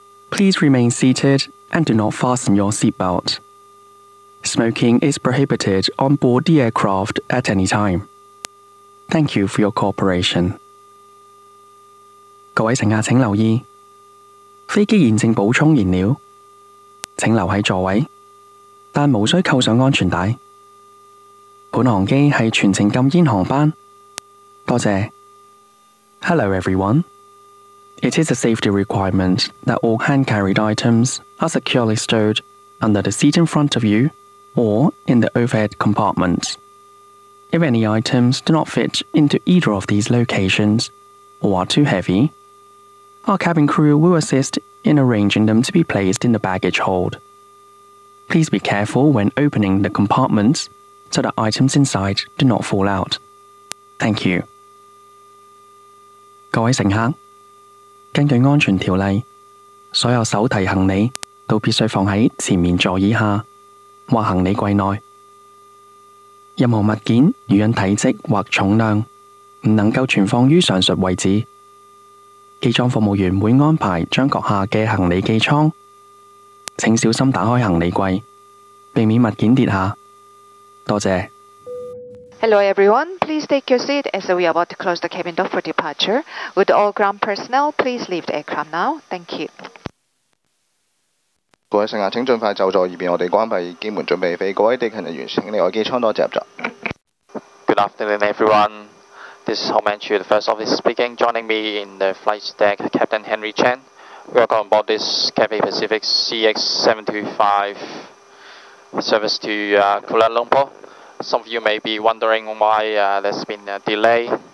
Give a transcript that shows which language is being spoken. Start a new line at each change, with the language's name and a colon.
English: Please remain seated and do not fasten your seatbelt. Smoking is prohibited on board the aircraft at any time. Thank you for your cooperation.
Cantonese: 各位乘客请留意，飞机现正补充燃料，请留在座位，但无需扣上安全带。本航机是全程禁烟航班，多谢。
English: Hello everyone. It is a safety requirement that all hand-carried items are securely stowed under the seat in front of you or in the overhead compartments. If any items do not fit into either of these locations or are too heavy, our cabin crew will assist in arranging them to be placed in the baggage hold. Please be careful when opening the compartments. So that items inside do not fall out. Thank you.
Cantonese: 各位乘客，根据安全条例，所有手提行李都必须放在前面座椅下或行李柜内。任何物件如因体积或重量不能够存放于上述位置，机舱服务员会安排将阁下的行李寄仓。请小心打开行李柜，避免物件跌下。
English: Hello everyone, please take your seat as we are about to close the cabin door for departure. Would all ground personnel please leave the aircraft now? Thank you.
Cantonese: 各位乘客，请尽快就座以便我哋关闭机门准备飞。各位地勤人员，请离开机舱多谢入座。
English: Good afternoon, everyone. This is Home Entry, the first office speaking. Joining me in the flight deck, Captain Henry Chen. Welcome aboard this Cathay Pacific CX725. Service to Kuala Lumpur. Some of you may be wondering why there's been a delay.